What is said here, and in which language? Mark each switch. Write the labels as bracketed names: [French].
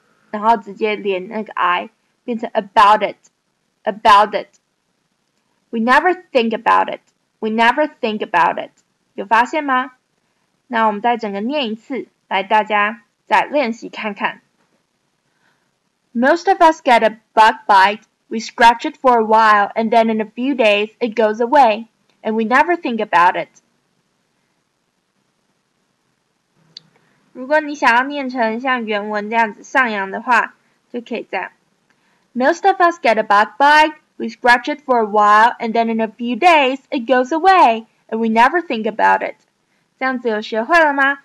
[Chinese] 然后直接连那个 I 变成 [English] about it, about it. We never think about it. We never think about it. [Chinese] 有发现吗？那我们再整个念一次，来大家再练习看看。 [English] Most of us get a bug bite. We scratch it for a while, and then in a few days it goes away, and we never think about it. [Chinese] 如果你想要念成像原文这样子上扬的话，就可以这样。 [English] Most of us get a bug bite, we scratch it for a while, and then in a few days, it goes away, and we never think about it. [Chinese] 这样子有学会了吗？